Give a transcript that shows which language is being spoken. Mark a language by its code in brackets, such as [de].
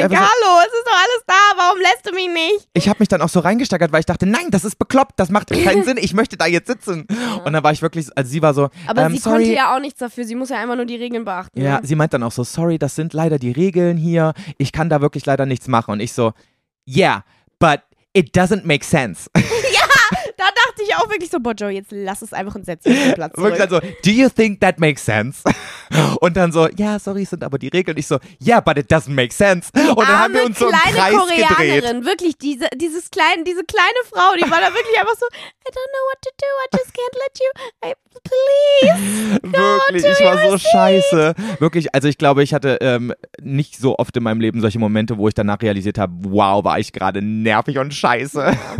[de] denke, hallo, es ist doch alles da, warum lässt du mich nicht? Ich habe mich dann auch so reingesteigert, weil ich dachte, nein, das ist bekloppt, das macht keinen Sinn, ich möchte da jetzt sitzen. Ja. Und dann war ich wirklich, also sie war so, aber sie sorry. Konnte ja auch nichts dafür, sie muss ja einfach nur die Regeln beachten. Ja, sie meint dann auch so, sorry, das sind leider die Regeln hier, ich kann da wirklich leider nichts machen. Und ich so, [en] yeah, but it doesn't make sense. [de] Ja! Da dachte ich auch wirklich so, boah, Joey, jetzt lass es einfach und setz dich auf den Platz zurück. [en] Also, do you think that makes sense? [de] Und dann so, ja, sorry, sind aber die Regeln. Und ich so, [en] yeah, but it doesn't make sense. [de] Und dann haben wir uns so im Kreis gedreht. Arme kleine Koreanerin, wirklich, diese kleine Frau, die war da wirklich einfach so, [en] I don't know what to do, I just can't let you, please, [de] wirklich, ich war so scheiße. Wirklich, also ich glaube, ich hatte nicht so oft in meinem Leben solche Momente, wo ich danach realisiert habe, wow, war ich gerade nervig und scheiße.